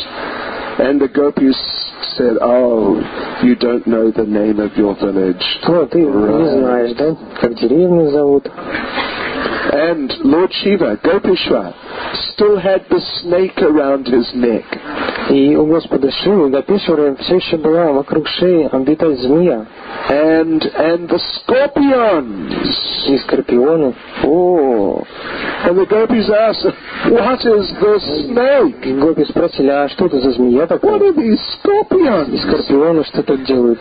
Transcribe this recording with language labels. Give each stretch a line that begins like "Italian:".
English: And the gopis said, "Oh, you don't know the name of your village."
Russian: Oh, ты не знаешь, да? Как деревню зовут?
English: And Lord Shiva, Gopeshwar, still had the snake around his neck.
Russian: И у господа Шивы, Гопешвара, все еще была вокруг шеи обвитая змея.
English: And the scorpions.
Russian: И скорпионы. Oh.
English: And the gopis asked, "What is the snake?"
Russian: Гопи спросили, а что это за змея такая?
English: What are these scorpions?
Russian: И скорпионы что тут делают?